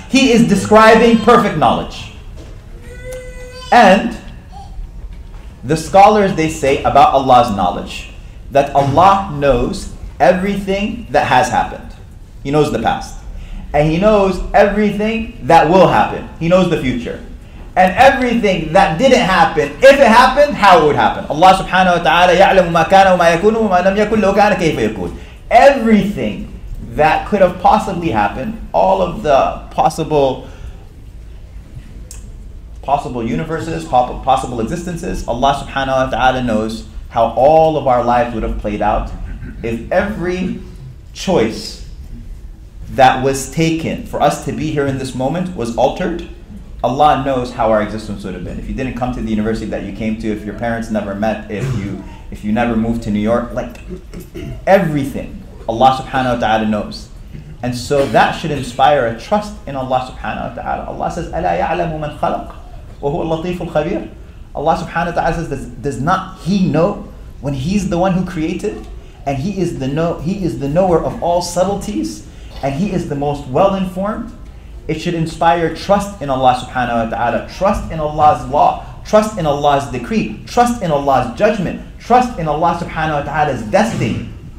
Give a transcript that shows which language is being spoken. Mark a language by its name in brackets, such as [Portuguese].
[English] He is describing perfect knowledge. And the scholars, they say about Allah's knowledge that Allah knows everything that has happened. He knows the past. And He knows everything that will happen. He knows the future. And everything that didn't happen, if it happened, how it would happen. [Arabic] Allah subhanahu wa ta'ala, يَعْلَمُ مَا كَانَ وَمَا يَكُونُ وَمَا لَمْ يَكُنْ لَوْ كَانَ كَيْفَ يَكُونَ. [English] Everything that could have possibly happened, all of the possible universes, possible existences, Allah subhanahu wa ta'ala knows how all of our lives would have played out if every choice that was taken for us to be here in this moment was altered. Allah knows how our existence would have been. If you didn't come to the university that you came to, if your parents never met, if you never moved to New York, like everything, Allah subhanahu wa ta'ala knows. And so that should inspire a trust in Allah subhanahu wa ta'ala. [Arabic] Allah says, أَلَا يَعْلَمُ مَنْ خَلَقَ وَهُوَ اللَّطِيفُ الْخَبِيرُ. [English] Allah subhanahu wa ta'ala says, does not He know when He's the one who created? And He is the knower of all subtleties, and He is the most well-informed. It should inspire trust in Allah subhanahu wa ta'ala, trust in Allah's law, trust in Allah's decree, trust in Allah's judgment, trust in Allah subhanahu wa ta'ala's destiny.